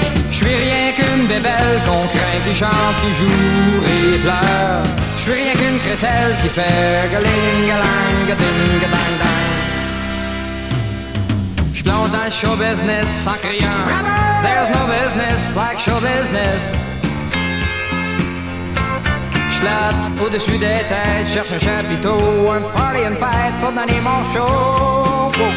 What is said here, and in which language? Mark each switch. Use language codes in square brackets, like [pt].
[fr] Je suis rien qu'une bébelle qu'on craint, qui chante, qui joue et pleure. Je suis rien qu'une crécelle qui fait galing-galang-ding-dang-dang. Je plonge dans le show business en criant bravo! [en] There's no business like show business. [fr] Je flotte au-dessus des têtes, cherche un chapiteau, un party, une fête pour donner mon show.